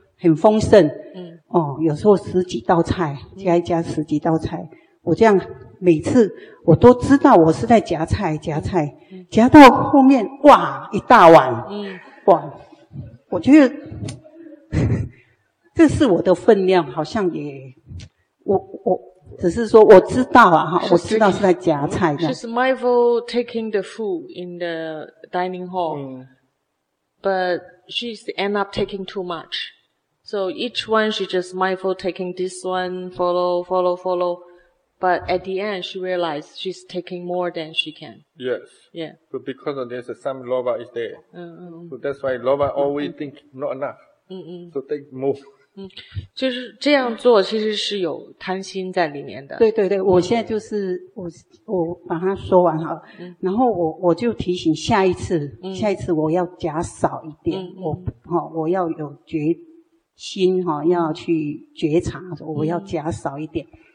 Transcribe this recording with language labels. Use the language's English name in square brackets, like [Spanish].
[Chinese] 很丰盛，嗯，哦，有时候十几道菜，加一加十几道菜，嗯，我这样每次我都知道我是在夹菜夹菜，夹到后面哇一大碗，嗯，哇，我觉得这是我的分量，好像也我只是说我知道啊，我知道是在夹菜的。 [English] She's mindful taking the food in the dining hall, but she's end up taking too much. So each one, she just mindful taking this one, follow. But at the end, she realized she's taking more than she can. Yes. Yeah. But because there's some lover is there. So that's why lover always think not enough. So take more. [Chinese] 就是这样做其实是有贪心在里面的。对对对，我现在就是我把它说完好了，然后我就提醒下一次，下一次我要夹少一点，我要有决定。心齁，哦，要去觉察，我要夹少一点。